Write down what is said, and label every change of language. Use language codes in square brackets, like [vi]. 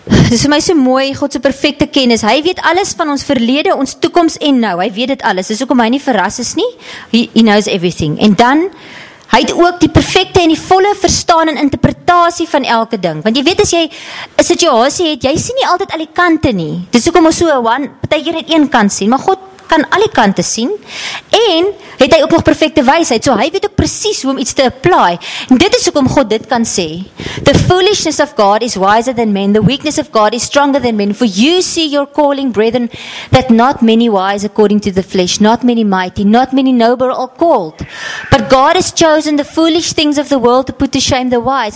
[af] Dis vir my so mooi, God se perfekte kennis. Hy weet alles van ons verlede, ons toekoms en nou. Hy weet dit alles. Dis hoekom hy nie verras is nie. [en] He knows everything. [af] En dan, hy het ook die perfekte en die volle verstaan en interpretasie van elke ding. Want jy weet, as jy 'n situasie het, jy sien nie altyd al die kante nie. Dis hoekom ons so partykeer net een kant sien. Maar God kan al die kante sien. En het hy ook nog perfekte wysheid. So hy weet ook presies hoe om iets te apply. En dit is hoekom God dit kan sê. [en] The foolishness of God is wiser than men. The weakness of God is stronger than men. For you see your calling, brethren, that not many wise according to the flesh, not many mighty, not many noble are called. But God has chosen the foolish things of the world to put to shame the wise.